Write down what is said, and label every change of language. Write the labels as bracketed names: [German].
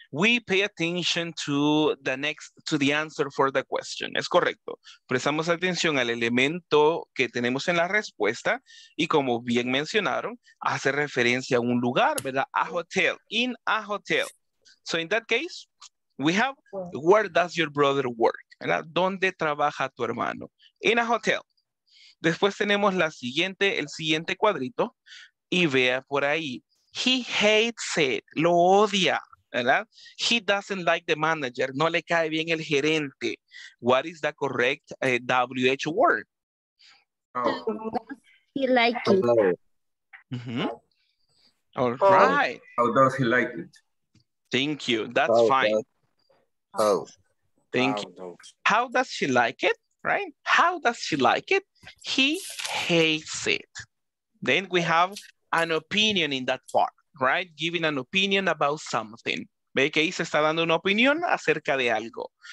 [English] We pay attention to the next, to the answer for the question. [Spanish] Es correcto. Prestamos atención al elemento que tenemos en la respuesta y como bien mencionaron, hace referencia a un lugar, ¿verdad? [English] A hotel, in a hotel. So in that case, we have, where does your brother work? [Spanish] ¿Verdad? ¿Dónde trabaja tu hermano? [English] In a hotel. [Spanish] Después tenemos la siguiente, el siguiente cuadrito y vea por ahí. [English] He hates it, [Spanish] lo odia, ¿verdad? [English] He doesn't like the manager, [Spanish] no le cae bien el gerente. [English] What is the correct WH word? He likes it. All right. How does he like it? Thank you, that's fine. How does she like it, right? How does she like it? He hates it. Then we have an opinion in that part, right? Giving an opinion about something. [Spanish] Ve que ahí se está dando una opinión acerca de algo.